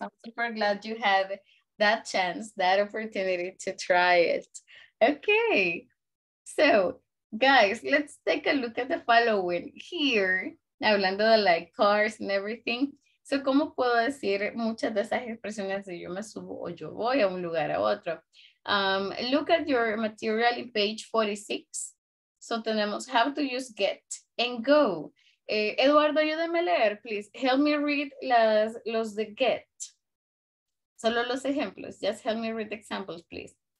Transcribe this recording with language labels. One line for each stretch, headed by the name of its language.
English: I'm super glad you had that chance, that opportunity to try it. Okay, so guys, let's take a look at the following here,
Spanish: hablando de
English: like cars and everything.
Spanish: So, ¿cómo puedo decir muchas de esas expresiones de yo me subo o yo voy a un lugar a otro?
English: Look at your material in page 46. So,
Spanish: tenemos
English: how to use get and go.
Spanish: Eduardo, ayúdame a leer,
English: please. Help me read
Spanish: los de get. Solo los ejemplos.
English: Just help me read the examples, please.